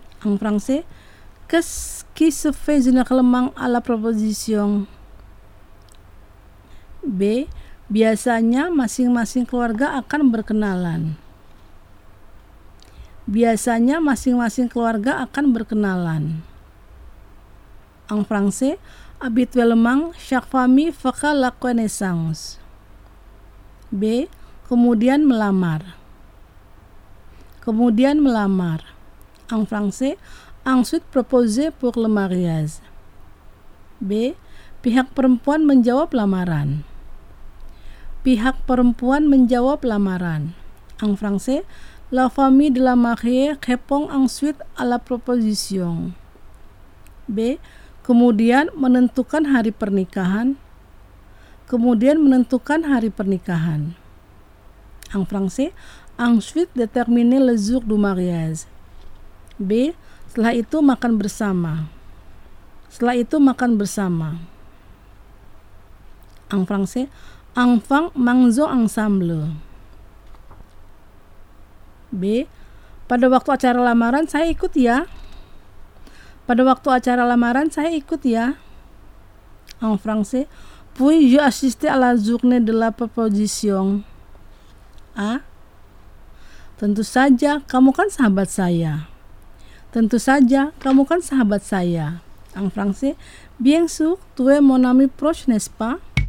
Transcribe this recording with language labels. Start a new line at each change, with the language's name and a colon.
French: En français, qu'est-ce qui se fait généralement à la proposition?
Indonesian: B. Biasanya masing-masing keluarga akan berkenalan. Biasanya masing-masing keluarga akan berkenalan.
French: En français, habituellement, chaque famille fera la connaissance. B.
Indonesian: Kemudian melamar. Kemudian melamar.
French: En français, ensuite proposer pour le mariage. B.
Indonesian: Pihak perempuan menjawab lamaran. Pihak perempuan menjawab lamaran.
French: En français, la famille de la mariée répond ensuite à la proposition. B.
Indonesian: Kemudian menentukan hari pernikahan. Kemudian menentukan hari pernikahan.
French: En français, ensuite déterminer le jour du mariage. B.
Indonesian: Setelah itu makan bersama. Setelah itu makan bersama.
French: En français, enfin mangeons ensemble. B.
Indonesian: Pada waktu acara lamaran saya ikut ya. Pada waktu acara lamaran saya ikut ya.
French: En français, puis-je assister à la journée de la proposition? A.
Indonesian: Tentu saja, kamu kan sahabat saya. Tentu saja, kamu kan sahabat saya.
French: En français, bien sûr, tu es mon ami proche, n'est-ce pas?